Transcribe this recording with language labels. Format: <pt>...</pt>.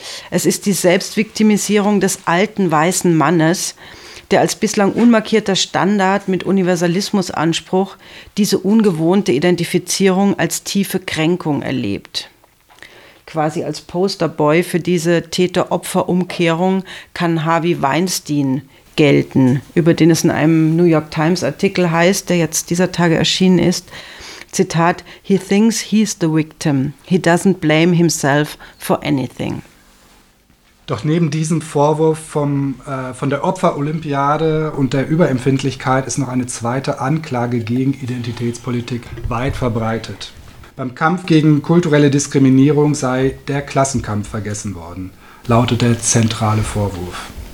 <de>Es ist die Selbstviktimisierung des alten weißen Mannes, der als bislang unmarkierter Standard mit Universalismusanspruch diese ungewohnte Identifizierung als tiefe Kränkung erlebt. Quasi als Posterboy für diese Täter-Opfer-Umkehrung kann Harvey Weinstein gelten, über den es in einem New York Times-Artikel heißt, der jetzt dieser Tage erschienen ist, Zitat,</de> <en>"He thinks he's the victim. He doesn't blame himself for anything."</en> <de>Doch neben diesem Vorwurf von der Opfer-Olympiade und der Überempfindlichkeit ist noch eine zweite Anklage gegen Identitätspolitik weit verbreitet. Beim Kampf gegen kulturelle Diskriminierung sei der Klassenkampf vergessen worden, lautet der zentrale Vorwurf.</de>